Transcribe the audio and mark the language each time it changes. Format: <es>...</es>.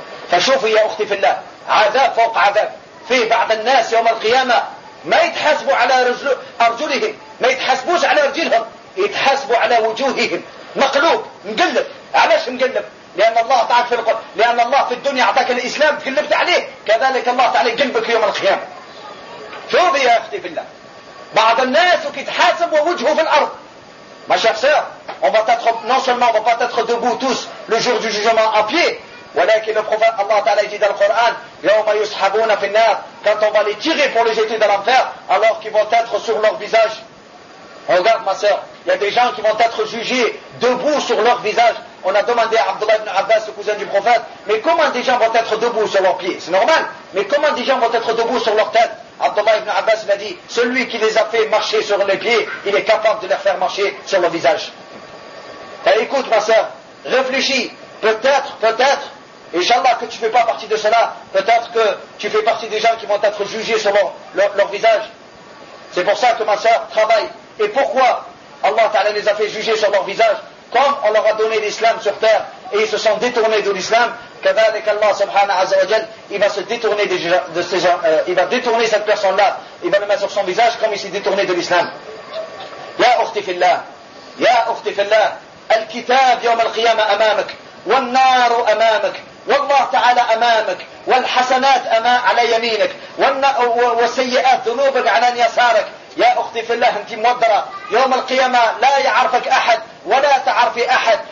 <ar>فشوفوا يا أختي في الله عذاب فوق عذاب في بعض الناس يوم القيامة ما يتحسبوا على أرجلهم ما يتحسبوش على رجلهم يتحسبوا على وجوههم مقلوب مقلب علاش مقلب لان الله اعطاك في القرآن لان الله في الدنيا اعطاك الاسلام تكلفت عليه كذلك الله تعالى قلبك يوم القيامه شوفي يا اختي في الله بعض الناس كيتحاسب ووجهه في الارض ما شخصيه</ar> <fr>on va être non seulement on va être debout tous le jour du jugement à pied</fr> <ar>ولكن الله تعالى يجي دال القرآن يوم يسحبون في النار</ar> <fr>quand on va les tirer pour les jeter dans l'enfer alors qu'ils vont être sur leur visage. Regarde ma sœur, il y a des gens qui vont être jugés debout sur leur visage. On a demandé à Abdullah ibn Abbas, le cousin du prophète, mais comment des gens vont être debout sur leurs pieds? C'est normal, mais comment des gens vont être debout sur leur tête? Abdullah ibn Abbas m'a dit, celui qui les a fait marcher sur les pieds, il est capable de les faire marcher sur leur visage. Alors, écoute ma sœur, réfléchis, peut-être, Inch'Allah que tu ne fais pas partie de cela, peut-être que tu fais partie des gens qui vont être jugés sur leur visage. C'est pour ça que ma sœur travaille. Et pourquoi Allah Ta'ala les a fait juger sur leur visage, comme on leur a donné l'islam sur terre et ils se sont détournés de l'islam,</fr> <ar>كذلك الله سبحانه عز وجل</ar> <fr>il va se détourner de ces gens, il va détourner cette personne-là, il va le mettre sur son visage comme il s'est détourné de l'islam.</fr> <ar>Ya ukhti fillah, al-kitab yawm al-qiyamah amamak, wal-nar amamak, والله تعالى أمامك والحسنات أمام على يمينك والسيئات ذنوبك على يسارك. يا أختي في الله أنت مودرة يوم القيامة لا يعرفك أحد ولا تعرفي أحد.</ar>